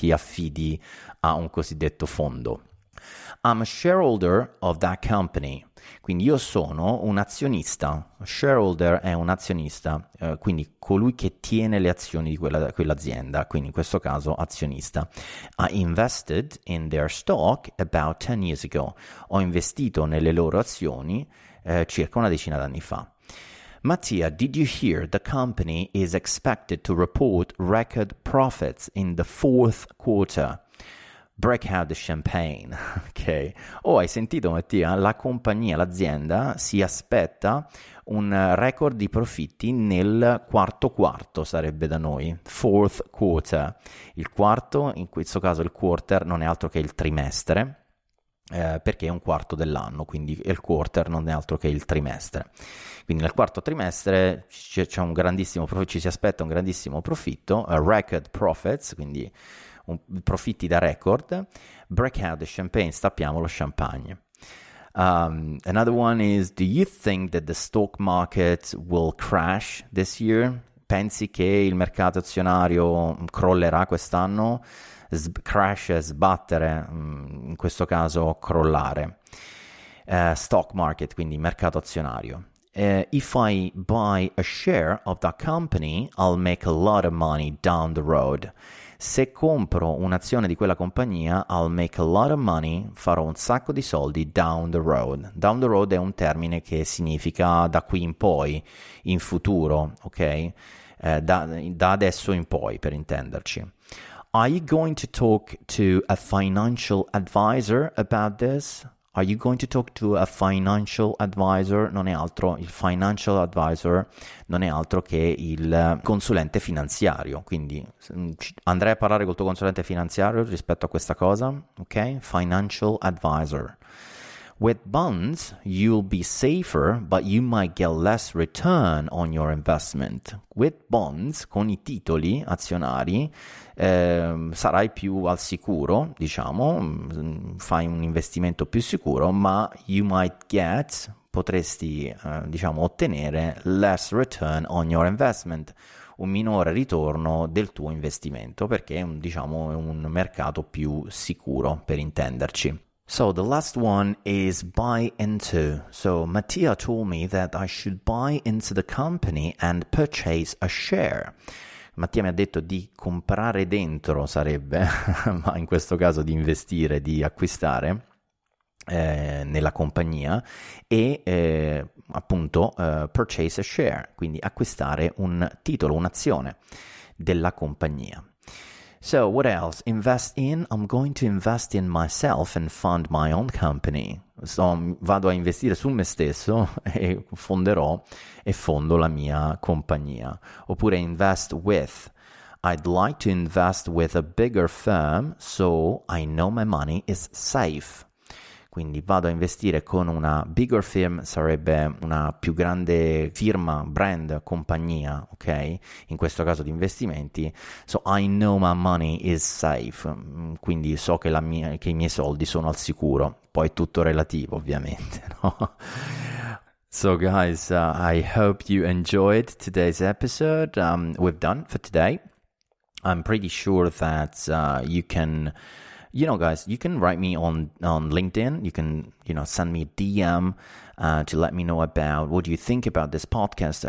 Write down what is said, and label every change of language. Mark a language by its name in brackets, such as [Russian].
[Italian] Ti affidi a un cosiddetto fondo. [English] I'm a shareholder of that company. [Italian] Quindi io sono un azionista, shareholder è un azionista, quindi colui che tiene le azioni di quell'azienda, quindi in questo caso azionista. [English] I invested in their stock about 10 years ago. [Italian] Ho investito nelle loro azioni circa una decina d'anni fa. [English] Mattia, did you hear the company is expected to report record profits in the fourth quarter? break out the champagne. Ok. [Italian] Oh, hai sentito, Mattia? La compagnia, l'azienda, si aspetta un record di profitti nel quarto quarto, sarebbe da noi. [English] Fourth quarter. [Italian] Il quarto, in questo caso il quarter, non è altro che il trimestre. Perché è un quarto dell'anno, quindi il quarter non è altro che il trimestre. Quindi nel quarto trimestre c'è un grandissimo profitto, ci si aspetta un grandissimo profitto, [English] record profits, [Italian] quindi profitti da record. [English] Break out the champagne, [Italian] stappiamo lo champagne. [English] Another one is, do you think that the stock market will crash this year? [Italian] Pensi che il mercato azionario crollerà quest'anno? Crash, sbattere, in questo caso crollare. Stock market, quindi mercato azionario. [English] If I buy a share of that company, I'll make a lot of money down the road. [Italian] Se compro un'azione di quella compagnia, [English] I'll make a lot of money, [Italian] farò un sacco di soldi [English] down the road. [Italian] Down the road è un termine che significa da qui in poi, in futuro, ok? Da adesso in poi, per intenderci. [English] Are you going to talk to a financial advisor about this? Are you going to talk to a financial advisor? [Italian] Non è altro, il financial advisor non è altro che il consulente finanziario. Quindi andrei a parlare col tuo consulente finanziario rispetto a questa cosa, ok? [English] Financial advisor. With bonds, you'll be safer, but you might get less return on your investment. With bonds, [Italian] con i titoli azionari, sarai più al sicuro, diciamo, fai un investimento più sicuro, ma [English] you might get, [Italian] potresti, diciamo, ottenere [English] less return on your investment, [Italian] un minore ritorno del tuo investimento, perché, diciamo, è un mercato più sicuro, per intenderci. [English] So the last one is buy into. So Mattia told me that I should buy into the company and purchase a share. [Italian] Mattia mi ha detto di comprare dentro, sarebbe, ma in questo caso di investire, di acquistare nella compagnia e appunto [English] purchase a share, [Italian] quindi acquistare un titolo, un'azione della compagnia. [English] So, what else? Invest in? I'm going to invest in myself and fund my own company. [Italian] So, vado a investire su me stesso e fonderò e fondo la mia compagnia. Oppure invest with. [English] I'd like to invest with a bigger firm so I know my money is safe. [Italian] Quindi vado a investire con una [English] bigger firm, [Italian] sarebbe una più grande firma, brand, compagnia, ok? In questo caso di investimenti. [English] So I know my money is safe. [Italian] Quindi so che che i miei soldi sono al sicuro. Poi è tutto relativo, ovviamente, no? [English] So guys, I hope you enjoyed today's episode. We've done for today. I'm pretty sure that you can... You know, guys, you can write me on LinkedIn. You can, you know, send me a DM to let me know about what you think about this podcast.